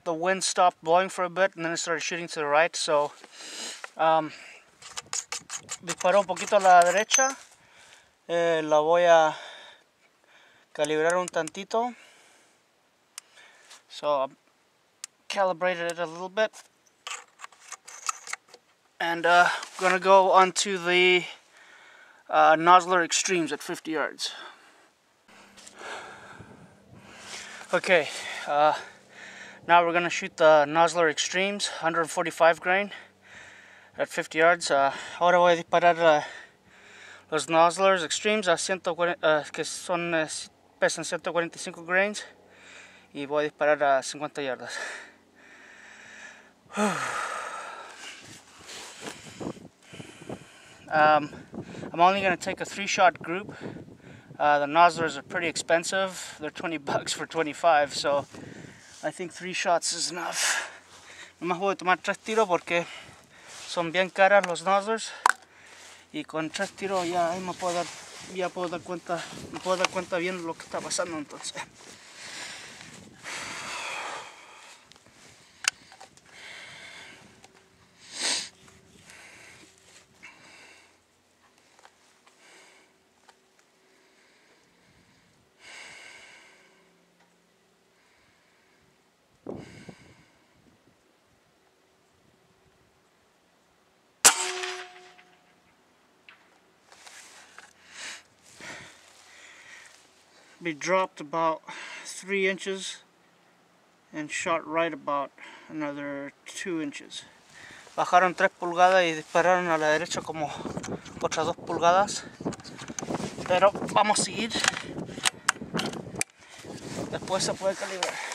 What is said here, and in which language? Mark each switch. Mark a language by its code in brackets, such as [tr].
[en] The wind stopped blowing for a bit and then it started shooting to the right, so [es] disparo un poquito a la derecha, la voy a calibrar un tantito, [en] so I calibrated it a little bit, and gonna go onto the Nosler extremes at 50 yards. Okay, now we're gonna shoot the Nosler Extremes, 145 grain at 50 yards. [es] Ahora voy a disparar los Nosler Extremes a 140, que son pesan 145 grains, y voy a disparar a 50 yardas. [en] I'm only gonna take a 3-shot group. The Noslers are pretty expensive. They're 20 bucks for 25, so I think 3 shots is enough. [es] No más voy a tomar 3 tiros porque son bien caras los Noslers. Y con 3 tiros ya ahí me puedo dar cuenta bien lo que está pasando entonces. [en] Okay. be dropped about 3 inches and shot right about another 2 inches. [es] Bajaron 3 pulgadas y dispararon a la derecha como 8 o 2 pulgadas. Pero vamos a seguir. Después se puede calibrar.